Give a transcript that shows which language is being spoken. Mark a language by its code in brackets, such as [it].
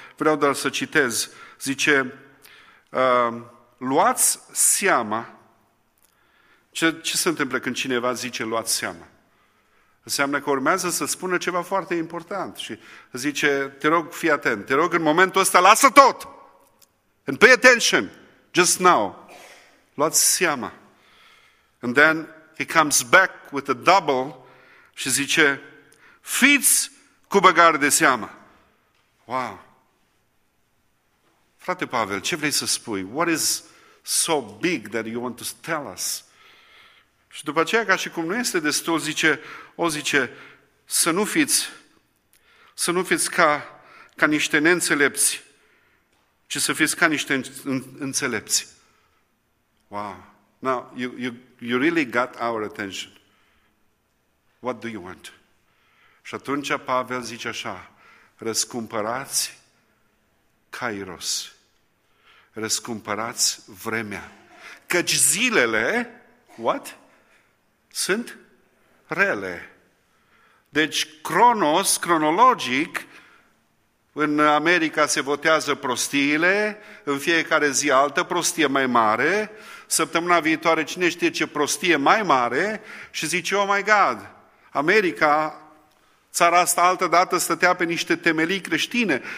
[ro] Vreau doar să citez. Zice, luați seama. Ce se întâmplă când cineva zice luați seama? Înseamnă că urmează să spună ceva foarte important și zice, te rog, fii atent, te rog în momentul ăsta, lasă tot! [en] And pay attention, just now. [ro] Luați seama. [en] And then he comes back with a double și zice, fiți cu băgare de seamă. Wow! [ro] Frate Pavel, ce vrei să spui? [en] What is so big that you want to tell us? [ro] Și după aceea, ca și cum nu este destul, zice, să nu fiți ca niște neînțelepți, ci să fiți ca niște înțelepți. [en] Wow! Now, you really got our attention. What do you want? [ro] Și atunci Pavel zice așa, răscumpărați kairos, răscumpărați vremea, căci zilele, what? Sunt rele. Deci, chronos, cronologic, în America se votează prostiile, în fiecare zi altă prostie mai mare, săptămâna viitoare cine știe ce prostie mai mare și zice, oh my God, America, țara asta altă dată stătea pe niște temelii creștine.